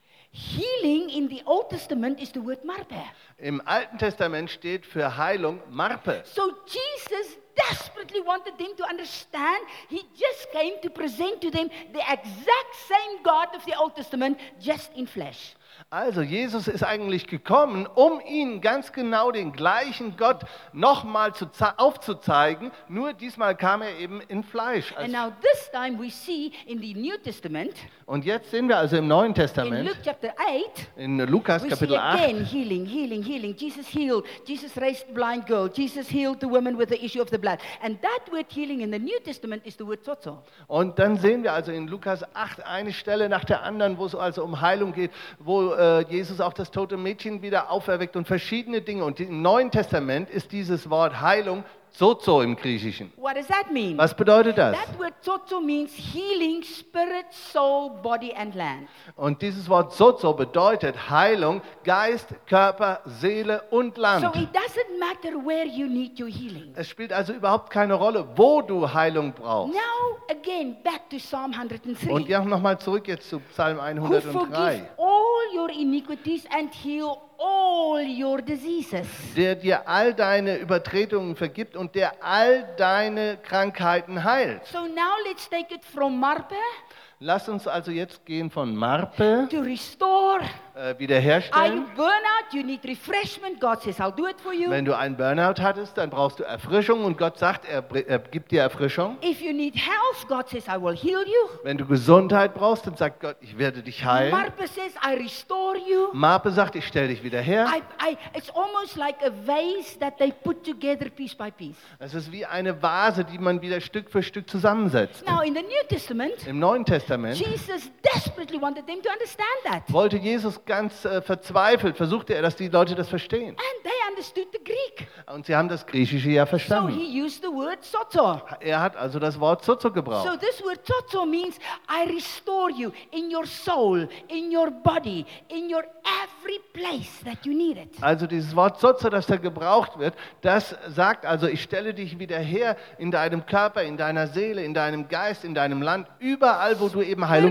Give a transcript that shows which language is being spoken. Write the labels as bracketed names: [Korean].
[English] Healing in the Old Testament is the word marpe. [German] Im Alten Testament steht für Heilung marpe. [English] So Jesus desperately wanted them to understand. He just came to present to them the exact same God of the Old Testament, just in flesh. [German] Also Jesus ist eigentlich gekommen, um ihnen ganz genau den gleichen Gott nochmal aufzuzeigen, nur diesmal kam er eben in Fleisch. [English] And now this time we see in the New Testament, [German] und jetzt sehen wir also im Neuen Testament, [English] in, Luke chapter 8, [German] in Lukas [English] we [German] Kapitel [English] see [German] 8, [English] again healing, healing, healing. Jesus healed, Jesus raised the blind girl, Jesus healed the woman with the issue of the blood. And that word healing in the New Testament is the word tzotzo. [German] Und dann sehen wir also in Lukas 8 eine Stelle nach der anderen, wo es also um Heilung geht, wo Jesus auch das tote Mädchen wieder auferweckt und verschiedene Dinge. Und im Neuen Testament ist dieses Wort Heilung Sozo im Griechischen. [English] What does that mean? [German] Was bedeutet das? [English] That word sozo means healing spirit, soul, body and land. [German] Und dieses Wort sozo bedeutet Heilung, Geist, Körper, Seele und Land. [English] So it doesn't matter where you need your healing. [German] Es spielt also überhaupt keine Rolle, wo du Heilung brauchst. [English] Now again back to Psalm 103. [German] Und ja, noch mal zurück jetzt zu Psalm 103. [English] Who forgives all your iniquities and heals all your diseases. [German] Der dir all deine Übertretungen vergibt und der all deine Krankheiten heilt. [English] So now let's take it from Marpe. [German] Lass uns also jetzt gehen von Marpe. [English] To restore. [German] Wiederherstellen. [English] Are you burnout? You need refreshment. God says, I'll do it for you. [German] Wenn du einen Burnout hattest, dann brauchst du Erfrischung und Gott sagt, er gibt dir Erfrischung. [English] If you need health, God says, I will heal you. [German] Wenn du Gesundheit brauchst, dann sagt Gott, ich werde dich heilen. [English] Marpe says, I restore you. [German] Marpe sagt, ich stelle dich wieder her. [English] It's almost like a vase that they put together piece by piece. [German] Es ist wie eine Vase, die man wieder Stück für Stück zusammensetzt. [English] Now in the New Testament, [German] im Neuen Testament, [English] Jesus desperately wanted them to understand that. [German] Wollte Jesus ganz verzweifelt versuchte er, dass die Leute das verstehen. [English] And they understood the Greek. [German] Und sie haben das Griechische ja verstanden. [English] So he used the word sozo. [German] Er hat also das Wort sozo gebraucht. [English] So this word sozo means I restore you in your soul, in your body, in your every place that you need it. [German] Also dieses Wort sozo, das da gebraucht wird, das sagt also, ich stelle dich wieder her in deinem Körper, in deiner Seele, in deinem Geist, in deinem Land, überall, wo du eben Heilung